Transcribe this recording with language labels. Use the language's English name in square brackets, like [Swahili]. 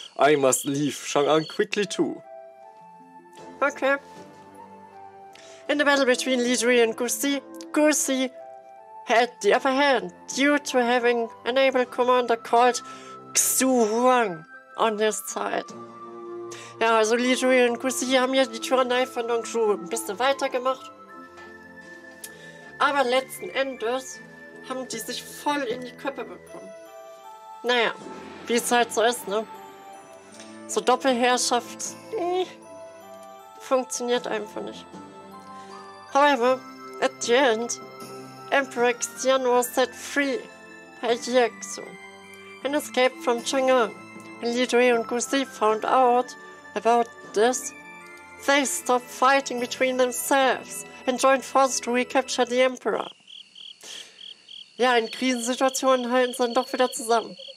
[English] I must leave Shang'an quickly too. Okay. In the battle between Li Jue and Guxi, Guxi had the upper hand due to having an able commander called Xu Huang on his side. [German] Ja, also Li Jue und Guxi haben ja die Tyrannei von Dong Zhuo ein bisschen weitergemacht. Aber letzten Endes haben die sich voll in die Köpfe bekommen. Naja, wie es halt so ist, ne? So Doppelherrschaft funktioniert einfach nicht. [English] However, at the end, Emperor Xian was set free by Jie Xu and escaped from Chang'e. And Li Jue and Guxi found out about this. They stopped fighting between themselves and joined forces to recapture the Emperor. [German] Ja, in Krisensituationen halten sie dann doch wieder zusammen.